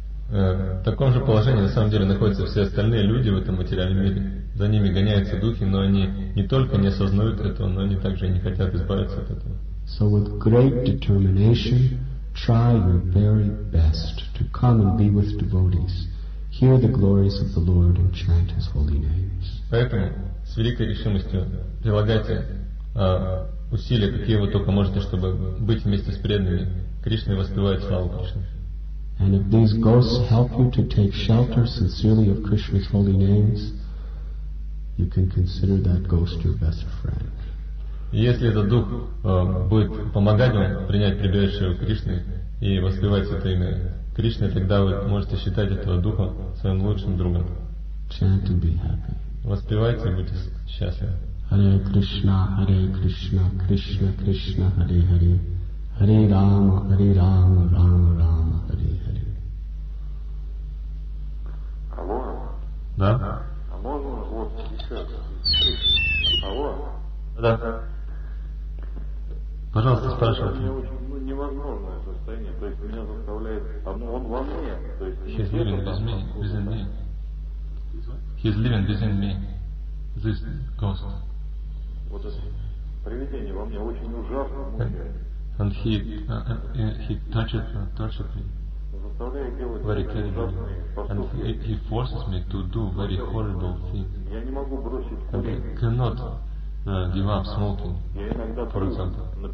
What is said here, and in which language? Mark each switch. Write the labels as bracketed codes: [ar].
[ru] В таком же положении на самом деле находятся все остальные люди в этом материальном мире. За ними гоняются духи, но они не только не осознают этого, но они также и не хотят избавиться от этого. [en] So with great determination, try your very best to come and be with devotees. Hear the glories of the Lord and chant His holy names. [ru] Поэтому с великой решимостью прилагайте усилия, какие вы только можете, чтобы быть вместе с преданными Кришны и воспевать славу Кришны. [en] And if these ghosts help you to take shelter sincerely of Krishna's holy names, you can consider that ghost your best friend. [ru] Если этот дух будет помогать вам принять прибежище у Кришны и воспевать это имя Кришны, тогда вы можете считать этого духа своим лучшим другом. [en] Chant and be happy. [ru] Воспевайте и будьте счастливы. [sa] Hare Krishna, Krishna Krishna, Hare Hare. Hare Rama, Hare Rama, Rama Rama, Hare Hare. [ru] Алло? Да? А можно вот еще? Алло? Да. Пожалуйста, спрашивайте. Мне очень невозможное состояние. То есть меня заставляет... Он во мне. [en] He's living with me, within me. He's living within me. This ghost. [ru] Вот это привидение во мне очень ужасно. [en] And he touched me very clearly, and he forces me to do very horrible things. And I cannot give up smoking, for example.